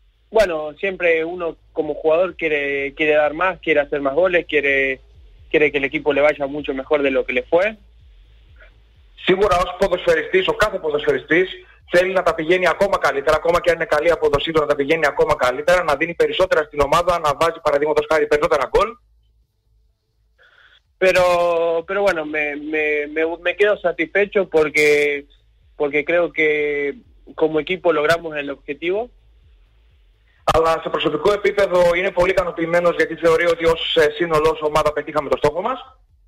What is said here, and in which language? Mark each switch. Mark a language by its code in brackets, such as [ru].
[es] Bueno, siempre uno como jugador quiere dar más, quiere hacer más goles, quiere que el equipo le vaya mucho mejor de lo que le fue. [el] Σίγουρα ως ποδοσφαιριστής, ο κάθε ποδοσφαιριστής θέλει να τα πηγαίνει ακόμα καλύτερα, ακόμα και αν είναι καλή αποδοσή του, να τα πηγαίνει ακόμα καλύτερα, να δίνει περισσότερα στην ομάδα, να βάζει παραδείγματος χάρη περισσότερα γκολ. [es] Pero bueno, me quedo satisfecho porque creo que como equipo logramos el objetivo. [el] Αλλά σε προσωπικό επίπεδο είναι πολύ ικανοποιημένος, γιατί θεωρεί ότι ως σύνολο ως ομάδα πετύχαμε το στόχο μας.